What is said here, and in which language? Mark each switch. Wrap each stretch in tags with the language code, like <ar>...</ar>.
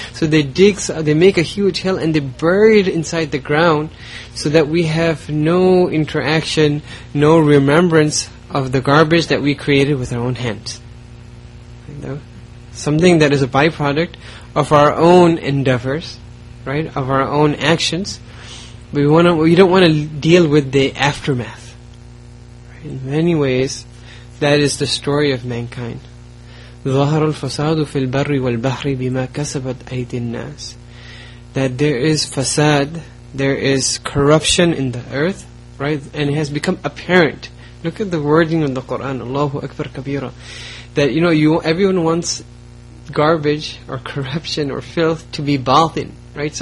<en>So they dig, they make a huge hill and they bury it inside the ground so that we have no interaction, no remembrance of the garbage that we created with our own hands. You know? Something that is a byproduct of our own endeavors, right, of our own actions. We don't want to deal with the aftermath. In many ways, that is the story of mankind.</en> <ar>ظهر الفساد في البر والبحر بما كسبت أيدي الناس.</ar> <en>That there is fasad, there is corruption in the earth, right? And it has become apparent. Look at the wording of the Quran, Allahu Akbar Kabira. That, you know, everyone wants garbage or corruption or filth to be batin, right?</en>